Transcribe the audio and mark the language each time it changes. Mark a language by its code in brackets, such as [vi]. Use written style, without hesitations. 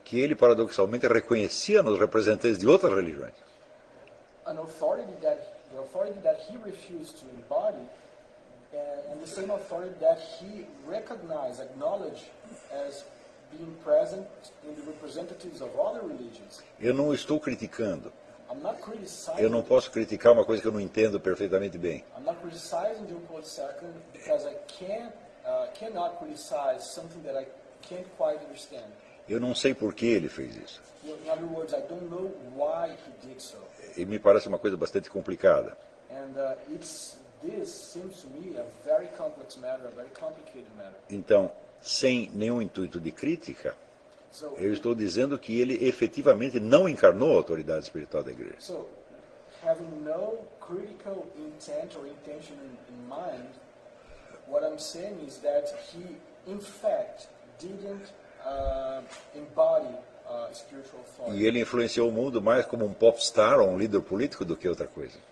[pt] Que ele paradoxalmente reconhecia nos representantes de outras religiões. [en] An authority that the authority that he refused to embody, and the same authority that he recognized, acknowledged as being present in the representatives of other religions. [pt] Eu não estou criticando. [en] I'm not criticizing. [pt] Eu não posso criticar uma coisa que eu não entendo perfeitamente bem. [en] I'm not criticizing John Paul II because I cannot criticize something that I can't quite understand. [pt] Eu não sei por que ele fez isso. [en] In other words, I don't know why he did so. [pt] E me parece uma coisa bastante complicada. [en] And this seems to me a very complex matter, a very complicated matter. [pt] Então, sem nenhum intuito de crítica, eu estou dizendo que ele efetivamente não encarnou a autoridade espiritual da Igreja. [en] So, having no critical intent or intention in mind, what I'm saying is that he, in fact, didn't embody spiritual authority. [pt] E ele influenciou o mundo mais como um popstar ou um líder político do que outra coisa.